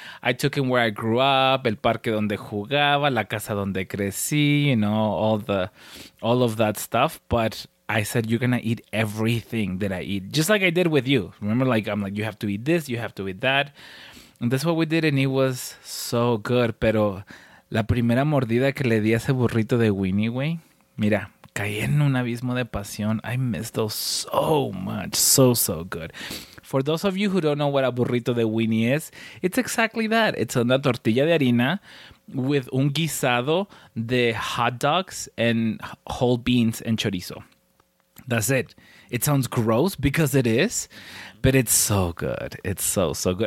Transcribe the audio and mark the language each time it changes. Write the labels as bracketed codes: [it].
[en] I took him where I grew up, [es] el parque donde jugaba, la casa donde crecí, [en] you know, all of that stuff. But I said, you're going to eat everything that I eat, just like I did with you. Remember, like, I'm like, you have to eat this, you have to eat that. And that's what we did, and it was so good. [es] Pero la primera mordida que le di a ese burrito de Winnie, güey, mira, caí en un abismo de pasión. [en] I missed those so much. So, so good. For those of you who don't know what a burrito de Winnie is, it's exactly that. It's [es] una tortilla de harina [en] with [es] un guisado de [en] hot dogs and whole beans and chorizo. That's it. It sounds gross because it is, but it's so good. It's so, so good.